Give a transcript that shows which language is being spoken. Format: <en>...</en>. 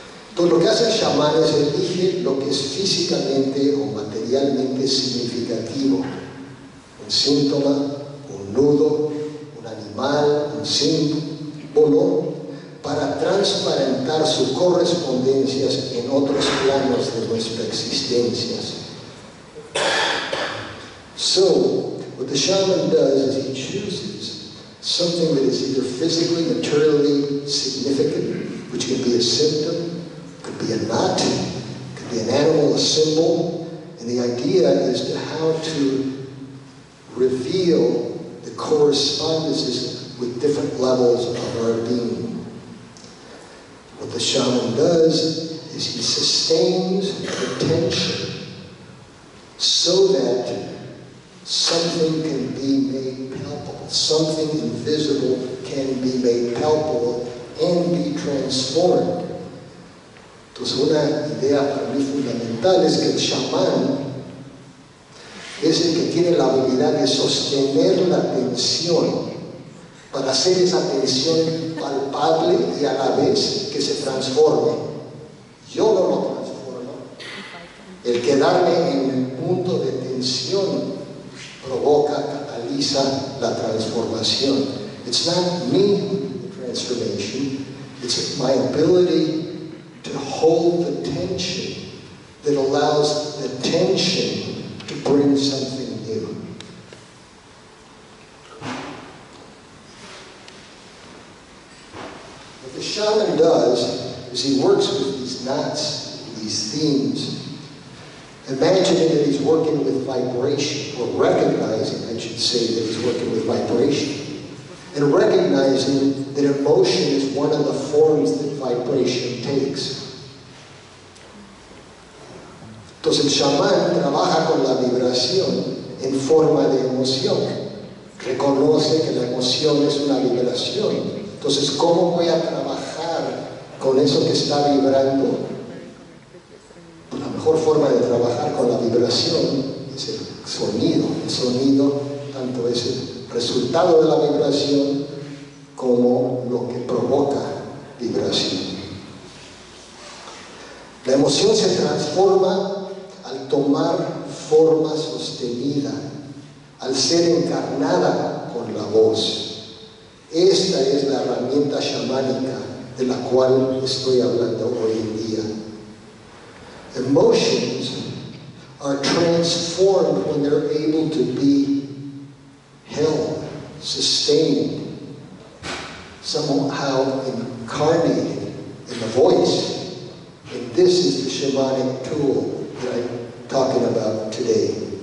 <es>Entonces lo que hace el shaman es elige lo que es físicamente o materialmente significativo, un síntoma, un nudo, un animal, un símbolo, para transparentar sus correspondencias en otros planos de nuestra existencia.</es> <en>So, what the shaman does is he chooses something that is either physically, materially significant, which could be a symptom, could be a knot, could be an animal, a symbol, and the idea is to how to reveal the correspondences with different levels of our being. What the shaman does is he sustains the tension so that something can be made palpable, something invisible can be made palpable and be transformed.</en> <es>Entonces una idea para mí fundamental es que el shaman es el que tiene la habilidad de sostener la tensión para hacer esa tensión palpable y a la vez que se transforme. Yo no lo transformo. El quedarme en el punto de tensión provoca, cataliza la transformación.</es> <en>It's not me the transformation, it's my ability to hold the tension that allows the tension to bring something new. What the shaman does is he works with these knots, these themes. Imagine that he's working with vibration, or recognizing, I should say, that he's working with vibration. And recognizing that emotion is one of the forms that vibration takes.</en> <es>Entonces el chamán trabaja con la vibración en forma de emoción. Reconoce que la emoción es una vibración. Entonces, ¿cómo voy a trabajar con eso que está vibrando? Pues la mejor forma de trabajar con la vibración es el sonido. El sonido tanto es el resultado de la vibración como lo que provoca vibración. La emoción se transforma al tomar forma sostenida, al ser encarnada con la voz. Esta es la herramienta chamánica de la cual estoy hablando hoy en día.</es> <en>Emotions are transformed when they're able to be held, sustained, somehow incarnated in the voice. And this is the shamanic tool that I'm talking about today.</en>